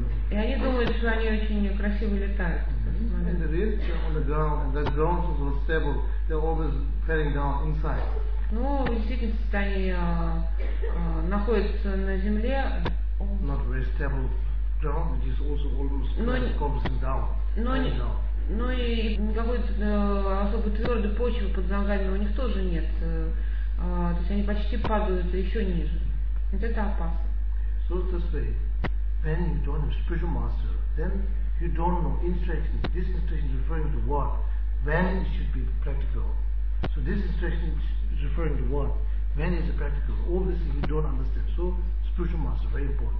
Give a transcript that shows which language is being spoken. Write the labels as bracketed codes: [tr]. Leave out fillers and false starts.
[ru] И они думают, что они очень красиво летают. [en] And the roots are on the ground, and the ground is unstable. They're always falling down inside. [ru] Ну, в действительности они находятся на земле. Not very stable ground, which is also always collapsing down. Но и какой-то особо твердой почвы под ногами у них тоже нет. То есть они почти падают еще ниже. Вот это опасно. [en] So this way, when you don't have spiritual master, then you don't know instructions. This instruction is referring to what? When it should be practical. So this instruction is referring to what? When is it practical? All these things you don't understand. So spiritual master, very important.